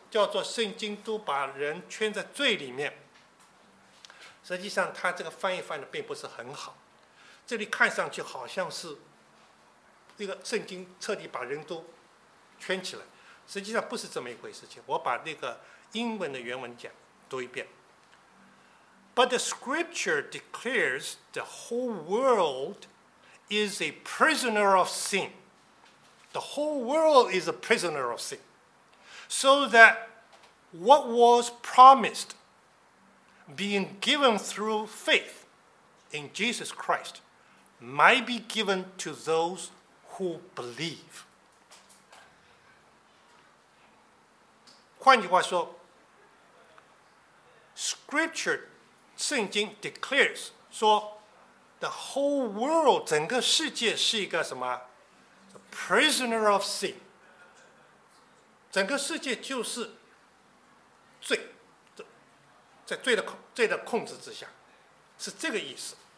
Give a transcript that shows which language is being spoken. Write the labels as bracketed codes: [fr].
[zh] 叫做圣经都把人圈在罪里面。实际上他这个翻译的并不是很好，这里看上去好像是这个圣经彻底把人都圈起来，实际上不是这么一回事情。我把那个英文的原文讲读一遍， [en] But the scripture declares the whole world is a prisoner of sin. The whole world is a prisoner of sin. So that what was promised, being given through faith in Jesus Christ, might be given to those who believe. [zh] 换句话说， Scripture, 圣经 declares, 说 [en] the whole world, [zh] 整个世界是一个什么？ [en] Prisoner of sin， [zh] 整个世界就是罪，在罪的控制之下，是这个意思。